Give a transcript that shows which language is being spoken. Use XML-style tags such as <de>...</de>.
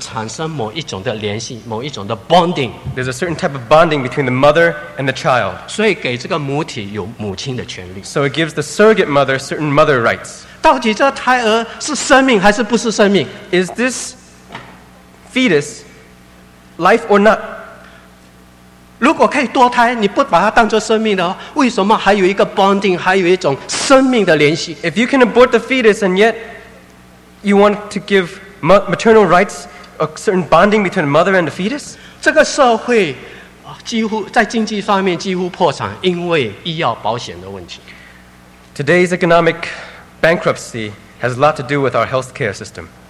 <zh>这个母体跟胎儿产生某一种的联系, 某一种的bonding,</zh> <en>there's a certain type of bonding between the mother and the child.</en> <zh>所以给这个母体有母亲的权利。</zh> <en>So it gives the surrogate mother certain mother rights.</en> <zh>到底这胎儿是生命还是不是生命?</zh> <en>Is this fetus life or not?</en> <zh>如果可以堕胎, 你不把它当作生命的话, 为什么还有一个bonding, 还有一种生命的联系?</zh> <en>If you can abort the fetus and yet you want to give maternal rights, a certain bonding between a mother and a fetus?</en> <zh>这个社会几乎在经济方面几乎破产，因为医药保险的问题。</zh> <en>Today's economic bankruptcy has a lot to do with our healthcare system.</en>